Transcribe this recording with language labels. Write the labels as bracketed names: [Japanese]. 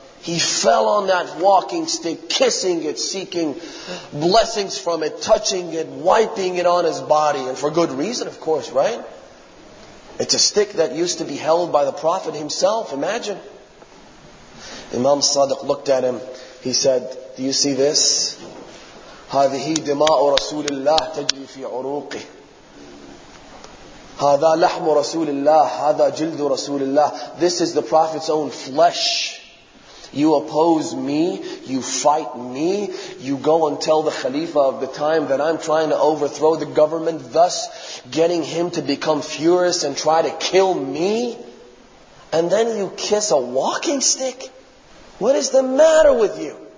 [English] He fell on that walking stick, kissing it, seeking blessings from it, touching it, wiping it on his body. And for good reason, of course, right? It's a stick that used to be held by the Prophet himself. Imagine. Imam Sadiq looked at him. He said, "Do you see this? [Arabic] هَذِهِ دِمَاءُ رَسُولِ اللَّهِ تَجْرِي فِي عُرُوقِهِ هَذَا لَحْمُ رَسُولِ اللَّهِ هَذَا جِلْدُ رَسُولِ اللَّهِ [English] This is the Prophet's own flesh. You oppose me, you fight me, you go and tell the Khalifa of the time that I'm trying to overthrow the government, thus getting him to become furious and try to kill me. And then you kiss a walking stick? What is the matter with you?"